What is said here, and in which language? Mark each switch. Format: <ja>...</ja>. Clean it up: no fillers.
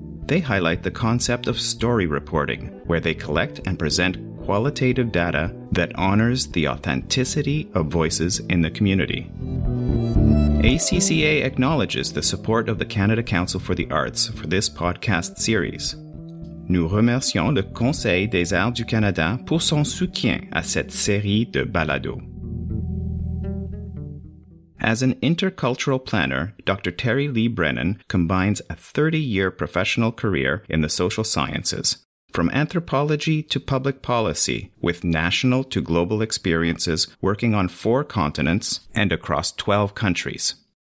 <en>They highlight the concept of story reporting, where they collect and present qualitative data that honors the authenticity of voices in the community. ACCA acknowledges the support of the Canada Council for the Arts for this podcast series.</en> <fr>Nous remercions le Conseil des Arts du Canada pour son soutien à cette série de balados.</fr> <en>As an intercultural planner, Dr. Terry Lee Brennan combines a 30-year professional career in the social sciences, from anthropology to public policy, with national to global experiences working on 4 continents and across 12 countries.</en>